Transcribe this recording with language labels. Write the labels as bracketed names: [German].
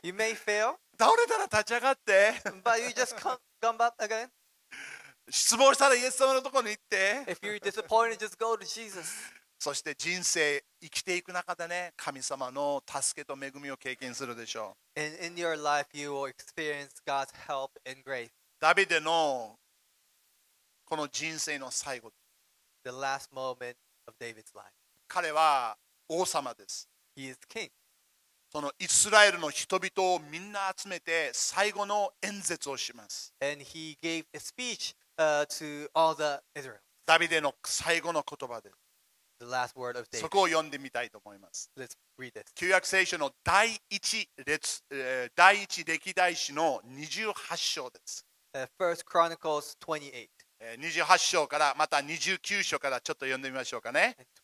[English] You may fail. [Japanese] 倒れたら立ち上がって。 [English] But you just come back again. [Japanese] 失望したらイエス様のところに行って。 [English] If you're disappointed, just go to Jesus. [Japanese] そして人生生きていく中でね、神様の助けと恵みを経験するでしょう。 [English] And in your life, you will experience God's help and grace. [Japanese] ダビデのこの人生の最後。 [English] The last moment of David's life. [Japanese] 彼は王様です。 [English] He is king. [Japanese] そのイスラエルの人々をみんな集めて最後の演説をします。 [English] And he gave a speech, to all the Israel. [Japanese] ダビデの最後の言葉です。 [English] The last word of David. [Japanese] そこを読んでみたいと思います。 [English] Let's read it. [Japanese] 旧約聖書の第一歴代史の28章です。 [English] First Chronicles 28. [Japanese] 28章からまた29章からちょっと読んでみましょうかね。